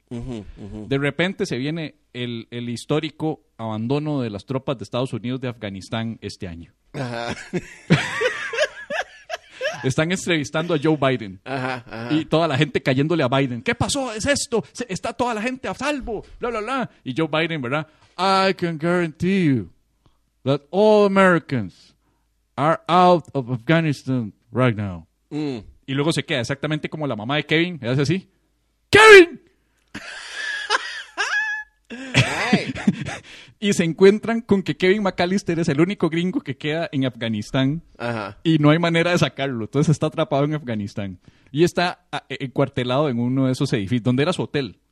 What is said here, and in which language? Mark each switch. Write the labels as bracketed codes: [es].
[es] De repente se viene el histórico abandono de las tropas de Estados Unidos de Afganistán este año. Están entrevistando a Joe Biden. Ajá. Y toda la gente cayéndole a Biden. ¿Qué pasó? ¿Es esto? ¿Está toda la gente a salvo? Bla, bla, bla. Y Joe Biden, ¿verdad? [en] I can guarantee you that all Americans are out of Afghanistan right now. [es] Y luego se queda exactamente como la mamá de Kevin. Y hace así. ¡Kevin! Y se encuentran con que Kevin McAllister es el único gringo que queda en Afganistán. Ajá. Y no hay manera de sacarlo. Entonces está atrapado en Afganistán. Y está encuartelado en uno de esos edificios, donde era su hotel.